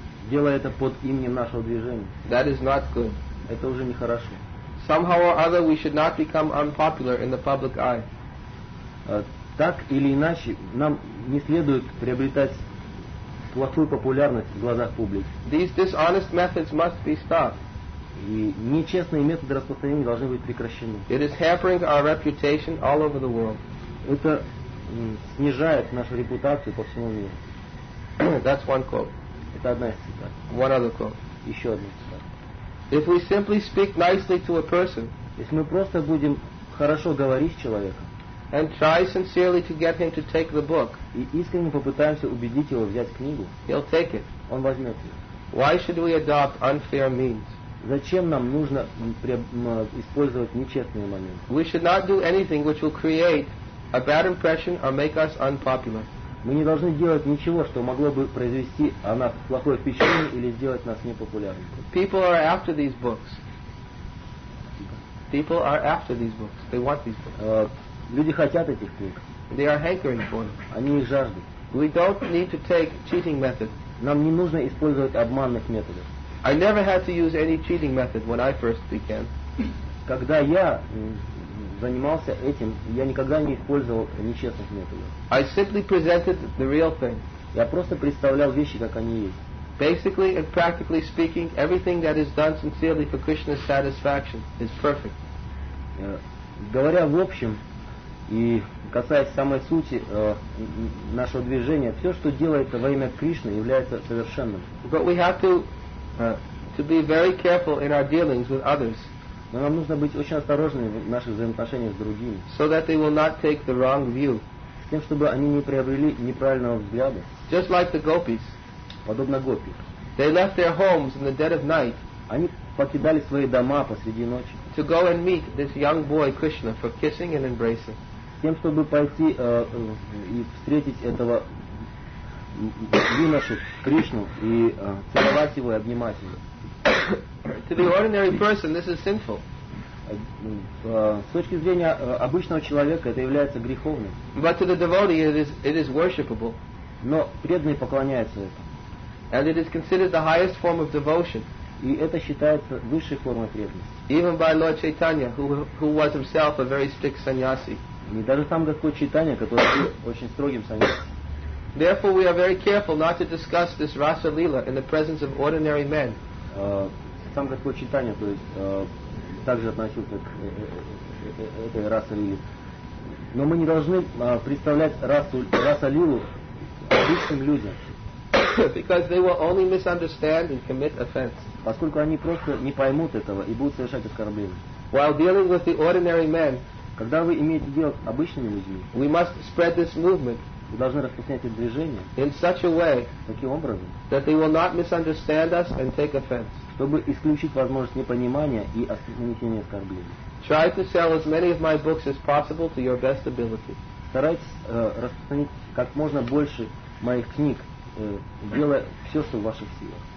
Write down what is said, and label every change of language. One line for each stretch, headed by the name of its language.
Russian: делая это под именем нашего движения,
English: that is not good.
Russian: Это уже нехорошо.
English: Somehow or other, we should not become unpopular in the public eye.
Russian: Так или иначе, нам не следует приобретать плохую популярность в глазах публики.
English: These dishonest methods must be stopped.
Russian: И нечестные методы распространения должны быть прекращены.
English: It is hampering our reputation all over the world.
Russian: Это снижает нашу репутацию по всему миру.
English: That's one quote.
Russian: Это одна из цитат.
English: One other quote.
Russian: Еще одна цитата.
English: If we simply speak nicely to a person,
Russian: если мы просто будем хорошо говорить с человеком,
English: and try sincerely to get him to take the book,
Russian: и искренне попытаемся убедить его взять книгу,
English: he'll take it.
Russian: Он возьмет ее.
English: Why should we adopt unfair means?
Russian: Зачем нам нужно использовать нечестные моменты?
English: We should not do anything which will create a bad impression or make us unpopular.
Russian: Мы не должны делать ничего, что могло бы произвести о нас плохое впечатление или сделать нас непопулярными.
English: People are after these books. People are after these books. They want these books.
Russian: Люди хотят этих книг.
English: They are hankering for them.
Russian: Они их жаждут.
English: We don't need to take cheating methods.
Russian: Нам не нужно использовать обманных методов.
English: I never had to use any cheating method when I first began.
Russian: Когда я занимался этим, я никогда не использовал нечестных методов.
English: I simply presented the real thing.
Russian: Я просто представлял вещи, как они есть.
English: Basically and practically speaking, everything that is done sincerely for Krishna's satisfaction is perfect.
Russian: Говоря в общем, и касаясь самой сути нашего движения, все, что делается во имя Кришны, является совершенным.
English: But to be very careful in our dealings with others.
Russian: Но нам нужно быть очень осторожными в наших взаимоотношениях с другими.
English: So that they will not take the wrong view.
Russian: С тем, чтобы они не приобрели неправильного взгляда.
English: Just like the gopis.
Russian: Подобно гопи.
English: They left their homes in the dead of night.
Russian: Они покидали свои дома посреди ночи.
English: To go and meet this young boy Krishna for kissing and embracing.
Russian: С тем, чтобы пойти и встретить этого юношу Кришну и целовать его и обнимать его.
English: To the ordinary person, this is sinful.
Russian: С точки зрения обычного человека это является греховным.
English: But to the devotee, it is worshipable.
Russian: Но преданный поклоняется этому.
English: And it is considered the highest form of devotion.
Russian: И это считается высшей формой преданности.
English: Even by Lord Chaitanya, who was himself a very strict sannyasi.
Russian: И даже сам Господь Чайтанья, который был очень строгим саньяси.
English: Therefore, we are very careful not to discuss this rasa lila in the presence of ordinary men.
Russian: Сам Господь Чайтанья, то есть также относился к этой раса лили. Но мы не должны представлять раса лилу обычным людям.
English: Because they will only misunderstand and commit offense.
Russian: Поскольку они просто не поймут этого и будут совершать оскорбления.
English: While dealing with the ordinary men,
Russian: когда вы имеете дело с обычными людьми,
English: we must spread this movement.
Russian: Вы должны распространять это движение
English: in such a way,
Russian: таким образом,
English: that they will not misunderstand us and take offense.
Russian: Чтобы исключить возможность непонимания и нанесения оскорблений.
English: Try to sell as many of my books as possible to your best ability.
Russian: Старайтесь распространить как можно больше моих книг. Делая все, что в ваших силах.